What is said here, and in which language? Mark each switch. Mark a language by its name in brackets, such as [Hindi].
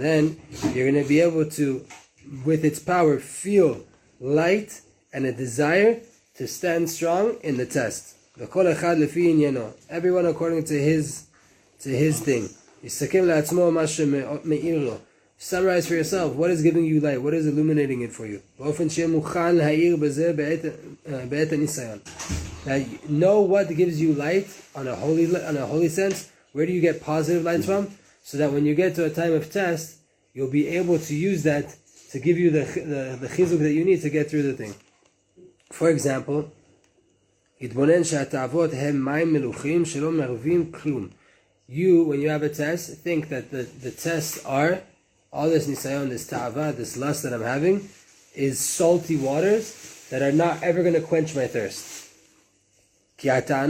[English] Then you're going to be able to, with its power, feel light and a desire to stand strong in the test. [Hebrew] וכל אחד לפי עניינו. [English] Everyone according to his thing. [Hebrew] יסכם לעצמו מה שמאיר לו. [English] Summarize for yourself. What is giving you light? What is illuminating it for you? [Hebrew] באופן שיהיה מוכן להעיר בזה בעת הניסיון. [English] Now, know what gives you light on a holy sense. Where do you get positive light from? So that when you get to a time of test, you'll be able to use that to give you the chizuk that you need to get through the thing. For example, [Hebrew] יתבונן שהתאוות הם מים מלוכים שלא מרווים כלום. [English] You, when you have a test, think that the tests are all this nisayon, this ta'ava, this lust that I'm having, is salty waters that are not ever going to quench my thirst. Why?